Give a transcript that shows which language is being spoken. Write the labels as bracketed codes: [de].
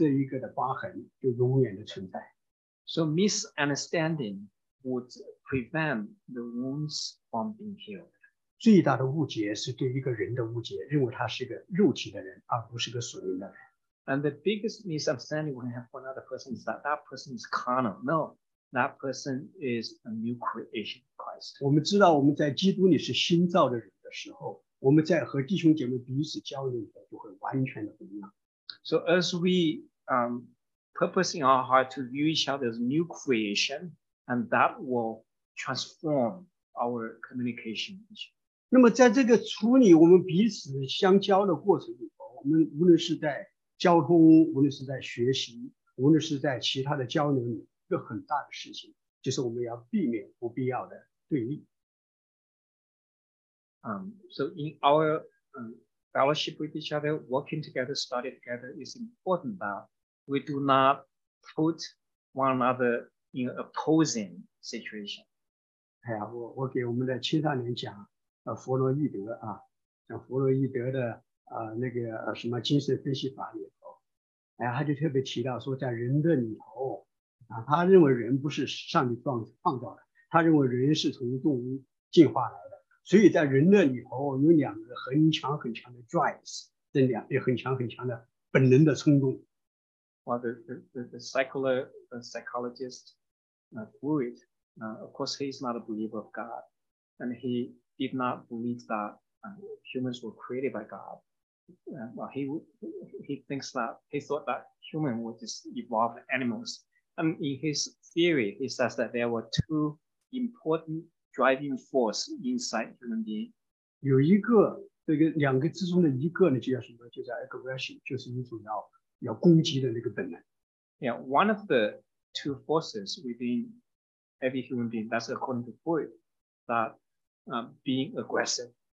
[zh] 所以我们要知道说，这一个误解就会使这一个的伤害和这一个的疤痕就永远的存在。 [en] So misunderstanding would prevent the wounds from being healed. [zh] 最大的误解是对一个人的误解，认为他是个肉体的人，而不是个属灵的人。 [en] And the biggest misunderstanding we have for another person is that person is carnal. No. That person is a new creation of Christ. [zh] 我们知道我们在基督里是新造的人的时候，我们在和弟兄姐妹彼此交流的就会完全的不一样。 [en] So as we purpose in our heart to view each other as new creation, and that will transform our communication. [zh] 那么在这个处理我们彼此相交的过程里头，我们无论是在交通，无论是在学习，无论是在其他的交流里，一个很大的事情就是我们要避免不必要的对立。 [en] So in our fellowship with each other, working together, study together, it's important that we do not put one another in opposing situation. [zh] 哎呀，我给我们的青少年讲弗洛伊德啊，讲弗洛伊德的那个什么精神分析法里头，哎呀，他就特别提到说，在人的里头啊，他认为人不是上帝创造的，他认为人是从动物进化来的，所以在人的里头有两个很强很强的 drives， 这两个很强很强的本能的冲动。 [en] Well, the psychologist, Freud, of course, he is not a believer of God, and he did not believe that humans were created by God. Well, he thought that humans were just evolved animals. And in his theory, he says that there were two important driving forces inside human being. [zh] 有一个，这个两个之中的一个呢，就叫什么？就叫 aggression， 就是你主要。要攻击的那个本能。 [en] Yeah, one of the two forces within every human being, that's according to Freud, that being aggressive.